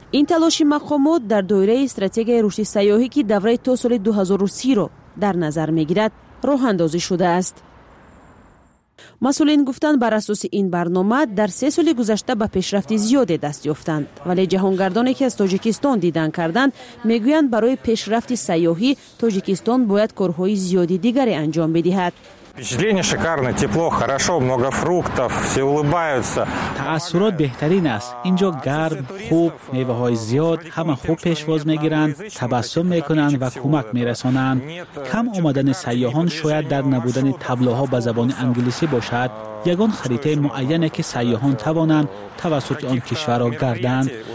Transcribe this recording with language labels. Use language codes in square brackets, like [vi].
[fa] این تلاش مقام‌ها در دایره استراتژی رشد سیاحی که دوره تا سال 2030 را در نظر می‌گیرد، راه‌اندازی شده است. مسئولین گفتند بر اساس این برنامه در 3 سال گذشته به پیشرفت زیاد دست یافتند، ولی جهانگردانی که از تاجیکستان دیدن کردند میگویند برای پیشرفت سیاحی تاجیکستان باید کارهای زیادی دیگری انجام بدهد. [ru] впечатление шикарное, тепло, хорошо, много фруктов, все улыбаются. [fa] تأثیرات بهترین است. اینجا گرم، خوب، میوه‌های زیاد، همه خوب پیشواز می‌گیرند، تبسم می‌کنند و کمک می‌رسانند. کم آمدن سیاحان شاید در نبودن تبلیغات به زبان انگلیسی باشد. یگان خریده معینه که سیاحان توانند توسط آن کشور را گردند.